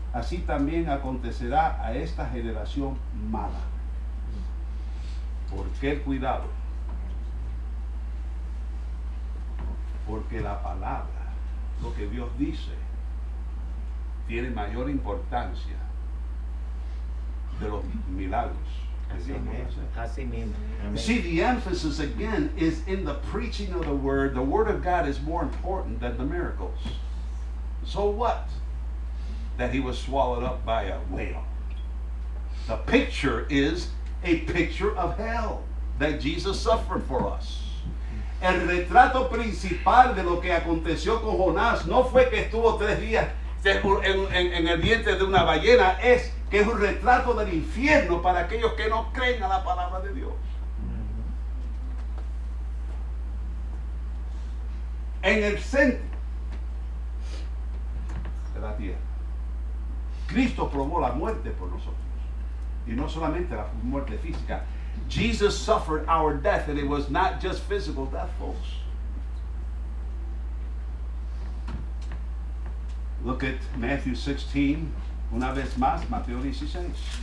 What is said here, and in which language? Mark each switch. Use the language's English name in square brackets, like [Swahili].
[Spanish] Así también acontecerá a esta generación mala. ¿Por qué el cuidado? Porque la palabra, lo que Dios dice, tiene mayor importancia de los milagros. Así mismo. [English] See, the emphasis again is in the preaching of the word. The word of God is more important than the miracles. So what? That he was swallowed up by a whale. The picture is a picture of hell that Jesus suffered for us. [Spanish] El retrato principal de lo que aconteció con Jonás no fue que estuvo tres días en el vientre de una ballena, es que es un retrato del infierno para aquellos que no creen a la palabra de Dios. En el centro de la tierra, Cristo probó la muerte por nosotros. Y no solamente la muerte física. [English] Jesus suffered our death, and it was not just physical death, folks. Look at Matthew 16, [Spanish] una vez más, Mateo 16.